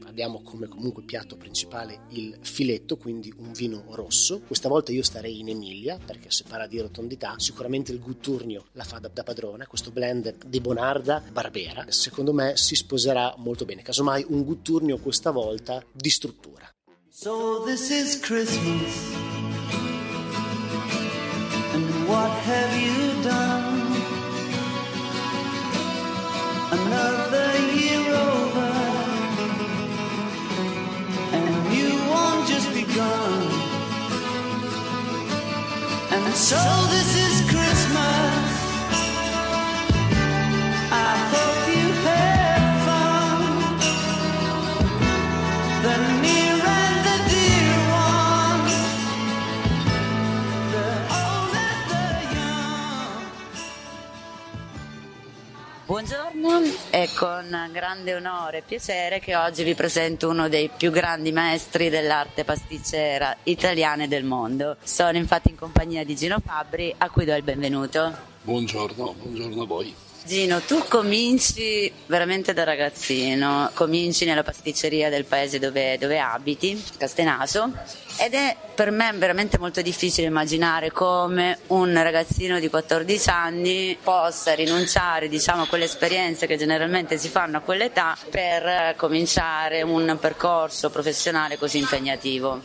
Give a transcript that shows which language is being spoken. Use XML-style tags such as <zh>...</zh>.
<it>Abbiamo come comunque piatto principale il filetto, quindi un vino rosso. Questa volta io starei in Emilia, perché se parla di rotondità sicuramente il Gutturnio la fa da padrona. Questo blend di Bonarda Barbera secondo me si sposerà molto bene, casomai un Gutturnio questa volta di struttura.</it> <en>So this is Christmas, and what have you done? Another year over, and you won't just be gone. And so this is Christmas. I hope you had fun. The near and the dear ones, the old and the young.</en> <it>Buongiorno. È con grande onore e piacere che oggi vi presento uno dei più grandi maestri dell'arte pasticcera italiana e del mondo. Sono infatti in compagnia di Gino Fabbri, a cui do il benvenuto. Buongiorno, buongiorno a voi. Gino, tu cominci veramente da ragazzino, cominci nella pasticceria del paese dove abiti, Castenaso, ed è per me veramente molto difficile immaginare come un ragazzino di 14 anni possa rinunciare, diciamo, a quelle esperienze che generalmente si fanno a quell'età per cominciare un percorso professionale così impegnativo.</it>